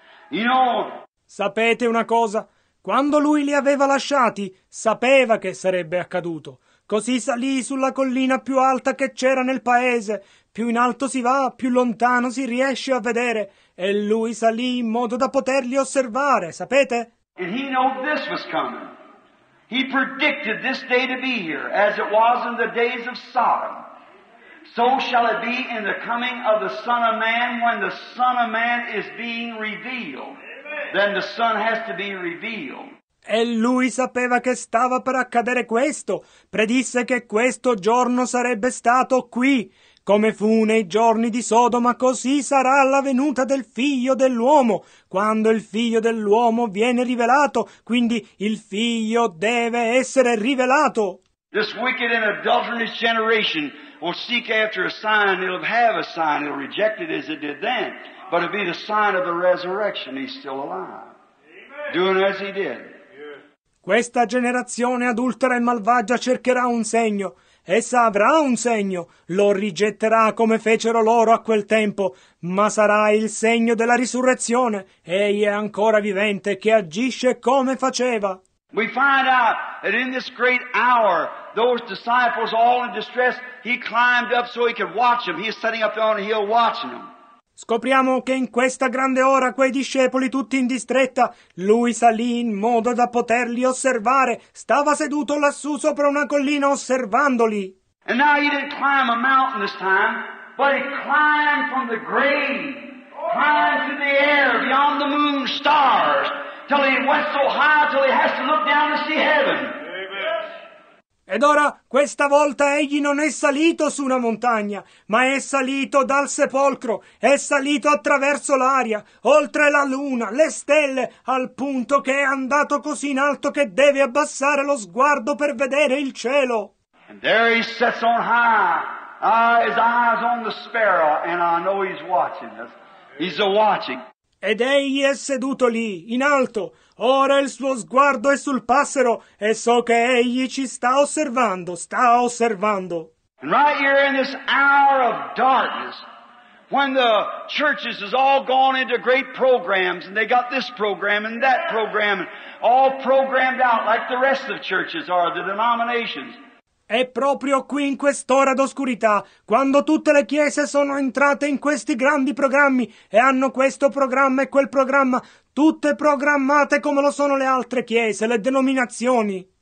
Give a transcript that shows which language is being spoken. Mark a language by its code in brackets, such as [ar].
[en] You know. [it] Sapete una cosa? Quando lui li aveva lasciati, sapeva che sarebbe accaduto. Così salì sulla collina più alta che c'era nel paese. Più in alto si va, più lontano si riesce a vedere. E lui salì in modo da poterli osservare, sapete? [en] And he knew this was coming. He predicted this day to be here, as it was in the days of Sodom. So shall it be in the coming of the Son of Man, when the Son of Man is being revealed. Then the Son has to be revealed. [it] E lui sapeva che stava per accadere questo. Predisse che questo giorno sarebbe stato qui. Come fu nei giorni di Sodoma, così sarà la venuta del Figlio dell'Uomo. Quando il Figlio dell'Uomo viene rivelato, quindi il Figlio deve essere rivelato. [en] This wicked and adulterous generation will seek after a sign, it'll have a sign, it'll reject it as it did then, but it'll be the sign of the resurrection, he's still alive, doing as he did. [it] Questa generazione adultera e malvagia cercherà un segno. Essa avrà un segno, lo rigetterà come fecero loro a quel tempo, ma sarà il segno della risurrezione. Egli è ancora vivente che agisce come faceva. [en] We find out that in this great hour, those disciples all in distress, he climbed up so he could watch them. He is sitting up on a hill watching them. [it] Scopriamo che in questa grande ora quei discepoli tutti in distretta, lui salì in modo da poterli osservare. Stava seduto lassù sopra una collina osservandoli. [en] And now he didn't climb a mountain this time, but he climbed from the grave, climbed to the air beyond the moon stars, till he went so high till he has to look down to see heaven. [it] Ed ora, questa volta, egli non è salito su una montagna, ma è salito dal sepolcro, è salito attraverso l'aria, oltre la luna, le stelle, al punto che è andato così in alto che deve abbassare lo sguardo per vedere il cielo. [en] And there he sits on high, his eyes on the sparrow, and I know he's watching us. He's watching. [it] Ed egli è seduto lì, in alto. Ora il suo sguardo è sul passero e so che egli ci sta osservando, sta osservando. [en] And right here in this hour of darkness, when the churches has all gone into great programs, and they got this program and that program, and all programmed out like the rest of the churches are, the denominations. [it] È proprio qui in quest'ora d'oscurità, quando tutte le chiese sono entrate in questi grandi programmi e hanno questo programma e quel programma, tutte programmate come lo sono le altre chiese, le denominazioni.